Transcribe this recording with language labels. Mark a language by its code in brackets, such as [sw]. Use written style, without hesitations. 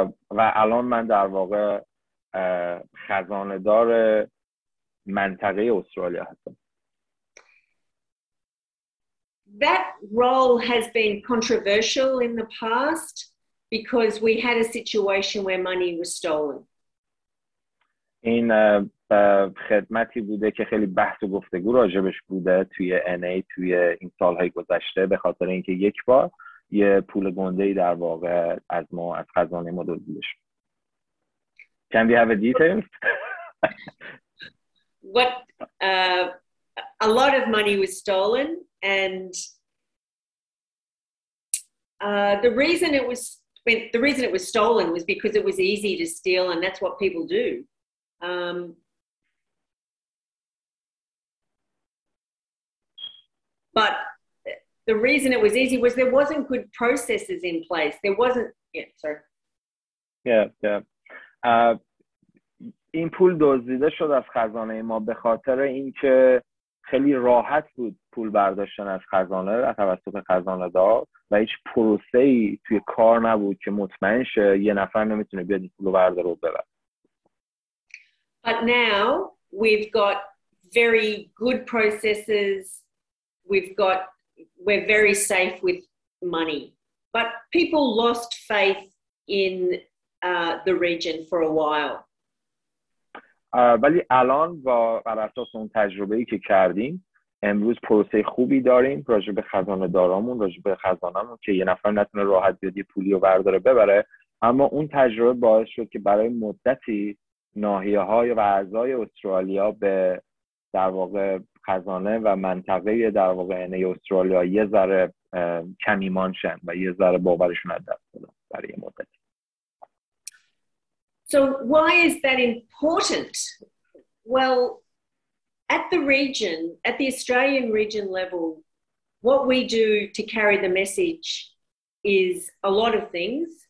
[fa] و الان من در واقع خزانه دار منطقه استرالیا هستم. [en] That role has been controversial in the past because we had a situation where money was stolen. [fa] این خدمتی بوده که خیلی بحث و گفتگو راجبش بوده توی NA توی این سالهای گذشته به خاطر اینکه یک بار یه پول گنده‌ای در واقع از ما از خزانه ما دزدیده شد. [en] Can we have a detail? What a lot of money was stolen and the reason it was stolen was because it was easy to steal and that's what people do. But the reason it was easy was there wasn't good processes in place. There wasn't. Yeah, sorry. Yeah, yeah. [fa] این پول دزدیده شد از خزانه ما به خاطر اینکه خیلی راحت بود پول برداشتن از خزانه از توسط خزانه دار و هیچ پروسه‌ای توی کار نبود که مطمئن شه یه نفر نمیتونه بیاد پول برداره و ببره. [en] But now we've got very good processes. We're very safe with money. But people lost faith in the region for a while. [fa] ولی الان با بر اساس اون تجربه‌ای که کردیم امروز پروسه خوبی داریم راجع به خزانه دارامون راجع به خزانه‌مون که یه نفر نتونه راحت بیاد یه پولی رو برداره ببره. اما اون تجربه باعث شد که برای مدتی ناحیه‌های و اعضای استرالیا به در واقع خزانه و منطقه در واقع عین استرالیا یه ذره کم ایمان شن و یه ذره باورشون از دست بدن برای یه مدتی. [en] So why is that important? Well, at the region, at the Australian region level, what we do to carry the message is a lot of things.